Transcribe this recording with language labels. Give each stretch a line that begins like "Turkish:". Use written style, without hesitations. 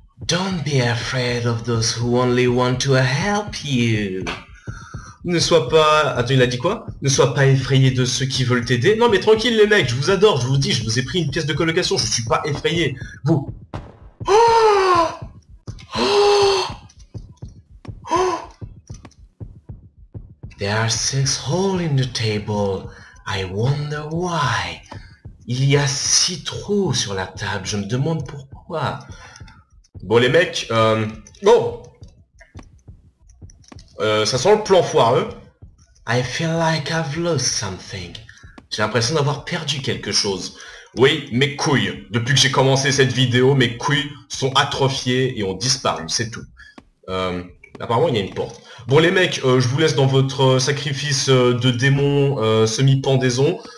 English: Don't be afraid of those who only want to help you.
French: Ne sois pas... Attends, il a dit quoi? Ne sois pas effrayé de ceux qui veulent t'aider. Non, mais tranquille, les mecs, je vous adore, je vous dis, je vous ai pris une pièce de colocation, je suis pas effrayé. Vous. Oh! Oh! Oh!
English: There are six holes in the table. I wonder why.
French: Il y a six trous sur la table, je me demande pourquoi. Bon, les mecs, Oh! Ça sent le plan foireux.
English: I feel like I've lost something.
French: J'ai l'impression d'avoir perdu quelque chose. Oui, mes couilles. Depuis que j'ai commencé cette vidéo, mes couilles sont atrophiées et ont disparu, c'est tout. Apparemment, il y a une porte. Bon, les mecs, je vous laisse dans votre sacrifice de démon semi-pendaison.